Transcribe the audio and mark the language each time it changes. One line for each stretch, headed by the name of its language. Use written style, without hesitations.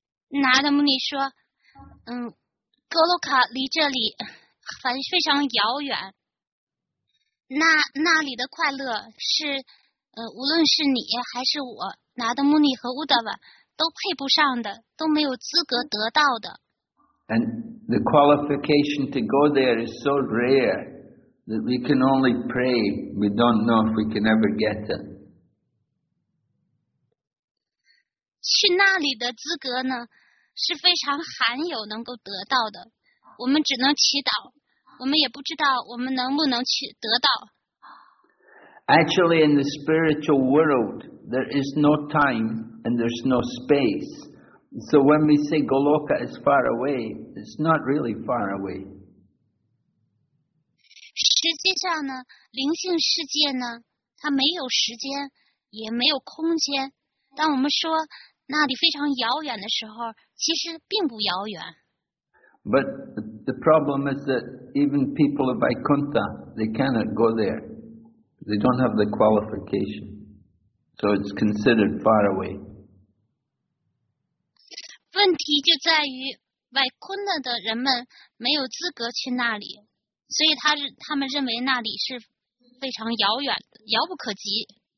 Chinese: Narada Muni 说，格洛卡离这里还非常遥远，那里的快乐是无论是你还是我，拿的穆尼和乌达瓦都配不上的，都没有资格得到的。
English: And the qualification to go there is so rare that we can only pray. We don't know if we can ever get it.
Chinese: 去那里的资格呢，是非常罕有能够得到的。我们只能祈祷，我们也不知道我们能不能去得到。
English: Actually, in the spiritual world, there is no time and there's no space. So when we say Goloka is far away, it's not really far away.
Chinese: 实际上呢，灵性世界呢，它没有时间，也没有空间。当我们说那里非常遥远的时候，其实并不遥远。
English: But the problem is that even people of Vaikuntha, they cannot go there. They don't have the qualification. So it's considered far away.
Chinese: 问题就在于 Vaikuntha 的人们没有资格去那里，所以他们认为那里是非常遥远的，遥不可及。